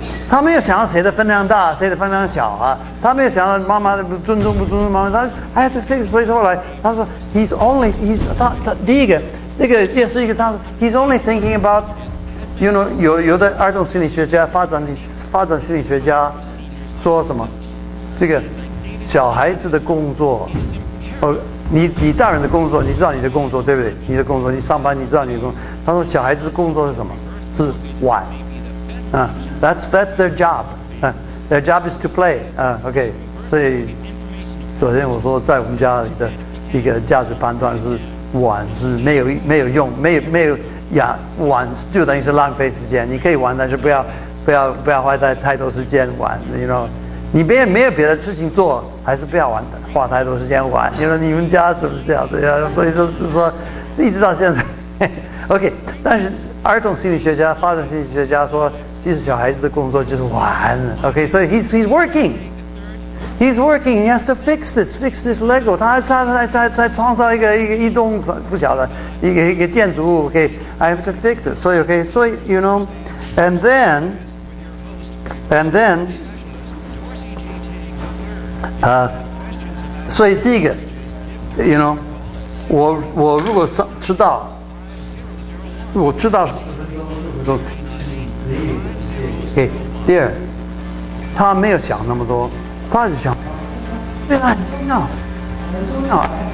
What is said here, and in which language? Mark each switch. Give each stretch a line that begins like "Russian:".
Chinese: 他没有想到谁的分量大谁的分量小啊，他没有想到妈妈不尊重不尊重妈妈，他说
English: I have to fix it。
Chinese: 所以后来他说
English: He's only thinking about you know
Chinese: 有的儿童心理学家发展心理学家说什么，这个小孩子的工作你大人的工作，你知道你的工作对不对？你的工作，你上班，你知道你的工作。他说小孩子的工作是什么？是玩，
English: that's their job， their job is to play， OK。
Chinese: 所以昨天我说在我们家里的一个价值判断是玩是没有用，没有呀，玩就等于是浪费时间。你可以玩，但是不要花太多时间玩，你知道。你别没有别的事情做，还是不要玩的，花太多时间玩。你说你们家是不是这样子呀？所以就说，一直到现在，OK。但是儿童心理学家、发展心理学家说，其实小孩子的工作就是玩。
English: OK，
Chinese: 所以
English: he's working， he has to fix this Lego。
Chinese: 他创造一栋不晓得一个建筑物。
English: OK， I have to fix it。
Chinese: 所以
English: OK， 所以 you know， and then。
Chinese: 所以第一个
English: you know
Chinese: 我如果知道我知道 OK， 第二他没有想那么多，他就想对他很重要很重要。